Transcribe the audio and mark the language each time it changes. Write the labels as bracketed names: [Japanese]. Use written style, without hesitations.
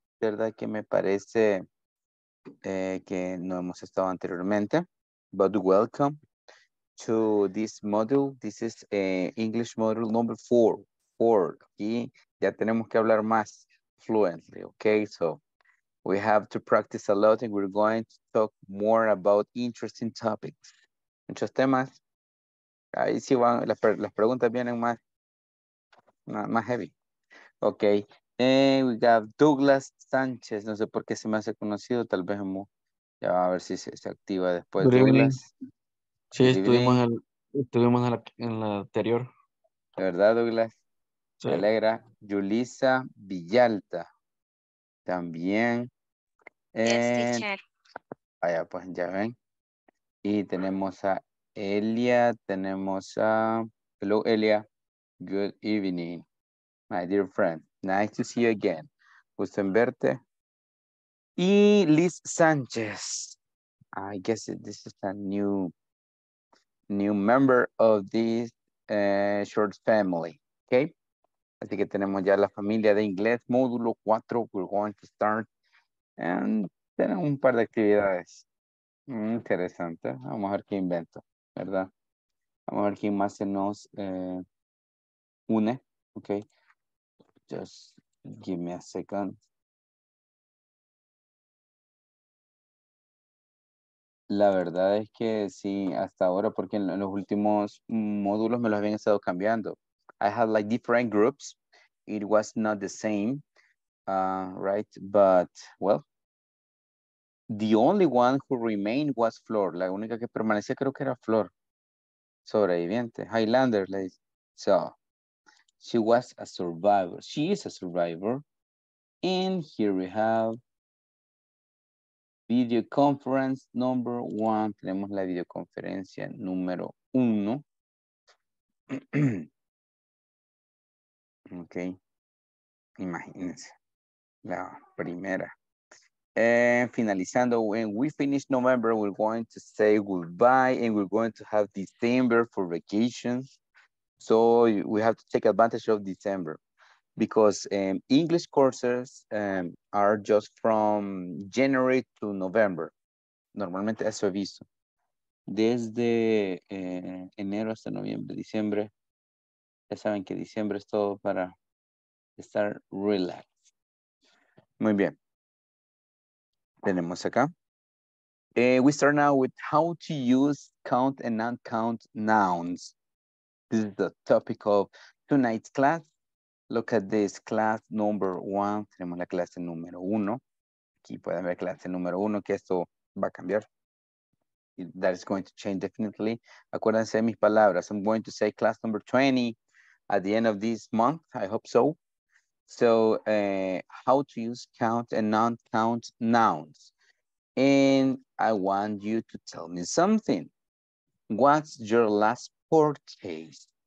[Spanish] Verdad que me parece que no hemos estado anteriormente, [English] but welcome to this module. This is English module number 4. [Spanish] Y ya tenemos que hablar más fluently, okay? [English] So we have to practice a lot and we're going to talk more about interesting topics. [Spanish] Muchos temas. Ahí sí van, las preguntas vienen más heavy. Okay. [English] We got [Spanish] Douglas Sánchez. No sé por qué se me hace conocido. Tal vez ya va a ver si se activa después. [English] Good Douglas. Evening. [Spanish] Sí, estuvimos en la anterior. ¿De verdad, Douglas? Sí. Me alegra. Yulisa Villalta. También. [English] Teacher. [Spanish] Allá, pues, ya ven. Y tenemos a Elia. Tenemos a... [English] Hello, Elia. Good evening, my dear friend. Nice to see you again. [Spanish] Gusto en verte. Y [English] Liz Sánchez. I guess this is a new member of this short family. Okay? [Spanish] Así que tenemos ya la familia de inglés. Módulo 4. [English] We're going to start. And [Spanish] tenemos un par de actividades. Interesante. Vamos a ver qué invento. ¿Verdad? Vamos a ver quién más se nos une. Okay. [English] Just give me a second. [Spanish] La verdad es que sí, hasta ahora, porque en los últimos módulos me los habían estado cambiando. [English] I had like different groups. It was not the same, right? But well, the only one who remained was Flor. [Spanish] La única que permanecía creo que era Flor. [English] Sobreviviente, Highlander, ladies. So she was a survivor. She is a survivor. And here we have video conference number one. [Spanish] Tenemos la videoconferencia número uno. Ok. Imagínense. La primera. [English] And finalizando, when we finish November, we're going to say goodbye and we're going to have December for vacations. So we have to take advantage of December because English courses are just from January to November. [Spanish] Normalmente eso he visto. Desde enero hasta noviembre, diciembre. Ya saben que diciembre es todo para estar relaxed. Muy bien. Tenemos acá. [English] We start now with how to use count and non-count nouns. This is the topic of tonight's class. Look at this, class number one. [Spanish] Tenemos la clase número uno. Aquí pueden ver clase número uno, que esto va a cambiar. [English] That is going to change definitely. [Spanish] Acuérdense de mis palabras. [English] I'm going to say class number 20 at the end of this month. I hope so. So, how to use count and non-count nouns. And I want you to tell me something. What's your last purchase?